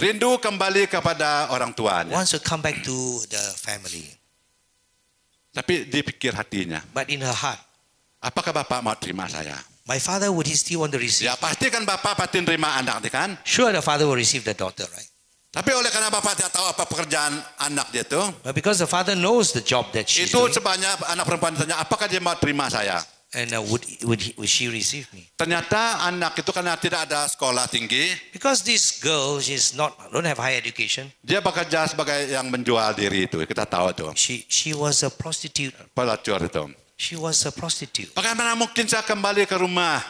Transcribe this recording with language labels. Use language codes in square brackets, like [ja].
[id] Rindu kembali kepada orang tuanya. [en] Wants to come back to the family. [id] Tapi dipikir hatinya. [en] But in her heart, [id] apakah bapak mau terima saya? [en] My father would he still want to receive? [id] Ya pasti kan bapak pasti terima anak, kan? [en] Sure, the father will receive the daughter, right? [id] Tapi oleh karena bapak tidak tahu apa pekerjaan anak dia itu. [en] But because the father knows the job that she's [id] itu sebanyak anak perempuan tanya, apakah dia mau terima saya? [en] And would she receive me? [id] Ternyata anak itu karena tidak ada sekolah tinggi. [en] Because this girl, she's not, don't have high education. [id] Dia bekerja sebagai yang menjual diri itu, kita tahu itu. [en] She was a prostitute. [id] Pelacur itu. [en] She was a prostitute. [id] Bagaimana mungkin saya kembali ke rumah?